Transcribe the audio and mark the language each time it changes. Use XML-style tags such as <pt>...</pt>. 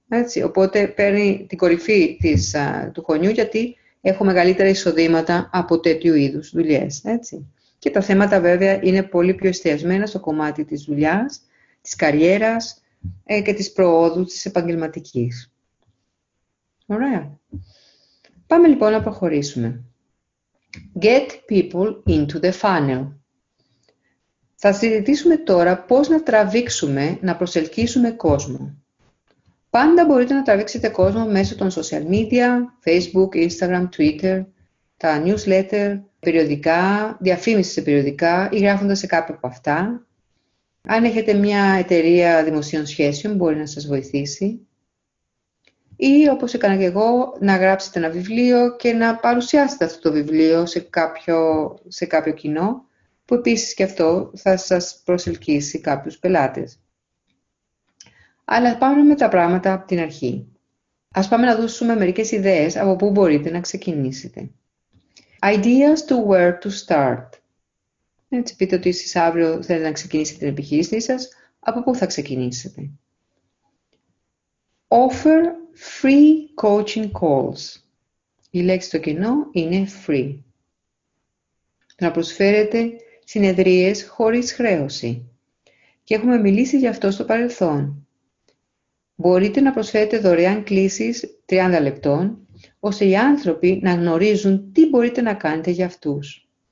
<el>Έτσι, οπότε παίρνει την κορυφή του χωνιού, γιατί έχω μεγαλύτερα εισοδήματα από τέτοιου είδους δουλειές. Έτσι. Και τα θέματα βέβαια είναι πολύ πιο εστιασμένα στο κομμάτι της δουλειάς, της καριέρας και της προόδου της επαγγελματικής. Ωραία. Πάμε λοιπόν να προχωρήσουμε.</el> <en>Get people into the funnel.</en> <el>Θα συζητήσουμε τώρα πώς να τραβήξουμε, να προσελκύσουμε κόσμο. Πάντα μπορείτε να τραβήξετε κόσμο μέσω των social media, Facebook, Instagram, Twitter, τα newsletter, περιοδικά, διαφήμιση σε περιοδικά ή γράφοντας σε κάποια από αυτά. Αν έχετε μια εταιρεία δημοσίων σχέσεων, μπορεί να σας βοηθήσει. Ή, όπως έκανα και εγώ, να γράψετε ένα βιβλίο και να παρουσιάσετε αυτό το βιβλίο σε κάποιο κοινό, που επίσης και αυτό θα σας προσελκύσει κάποιους πελάτες. Αλλά πάμε με τα πράγματα από την αρχή. Ας πάμε να δώσουμε μερικές ιδέες από πού μπορείτε να ξεκινήσετε. Ideas to where to start. Έτσι, πείτε ότι εσείς αύριο θέλετε να ξεκινήσετε την επιχείρησή σας. Από πού θα ξεκινήσετε?</el> <en>Offer free coaching calls.</en> <el>Η λέξη στο κοινό είναι free. Να προσφέρετε συνεδρίες χωρίς χρέωση. Και έχουμε μιλήσει γι' αυτό στο παρελθόν. Μπορείτε να προσφέρετε δωρεάν κλήσεις 30 λεπτών, ώστε οι άνθρωποι να γνωρίζουν τι μπορείτε να κάνετε για αυτούς.</el>